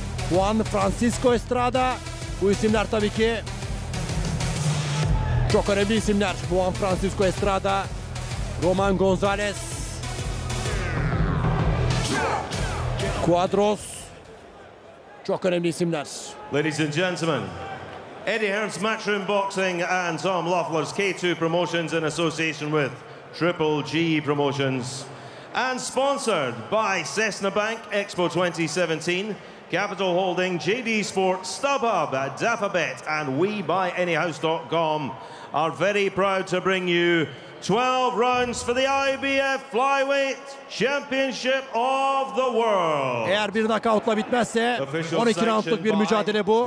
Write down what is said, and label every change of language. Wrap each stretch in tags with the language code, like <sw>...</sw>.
<tr>Juan Francisco Estrada, bu isimler tabii ki çok önemli isimler. Juan Francisco Estrada, Roman Gonzalez, Cuadros, çok önemli isimler.</tr> <en>Ladies and gentlemen, Eddie Hearn's Matchroom Boxing and Tom Loeffler's K2 Promotions in association with Triple G Promotions and sponsored by Cessna Bank Expo 2017. Capital Holding, JD Sports, StubHub, Dafabet, and WeBuyAnyHouse.com are very proud to bring you 12 rounds for the IBF Flyweight Championship of the World.</en> <tr>Eğer bir knockout'la bitmezse, 12 round'luk bir mücadele bu.</tr>